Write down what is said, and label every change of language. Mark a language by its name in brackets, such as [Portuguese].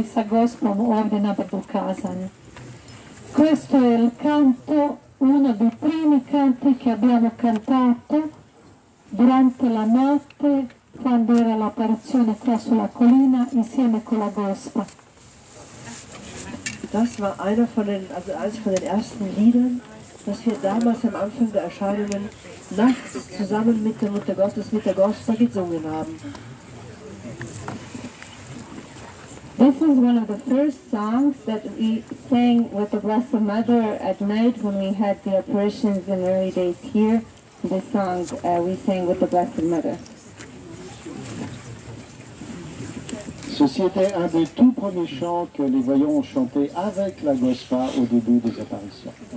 [Croatian] Gospom ovdje na brdu kazanja. [Italian] Questo è il canto, uno dei primi canti che abbiamo cantato durante la notte quando era l'apparizione qua sulla collina insieme con la Gospa. [German] Das war einer von den, also eines von den ersten Liedern, das wir damals am Anfang der Erscheinungen nachts zusammen mit der Mutter Gottes, mit der Gospa gesungen haben. [English] This is one of the first songs that we sang with the Blessed Mother at night when we had the apparitions in the early days here. This song we sang with the Blessed Mother. [French] Ceci était un des tout premiers chants que les voyants ont chanté avec la Gospa au début des apparitions.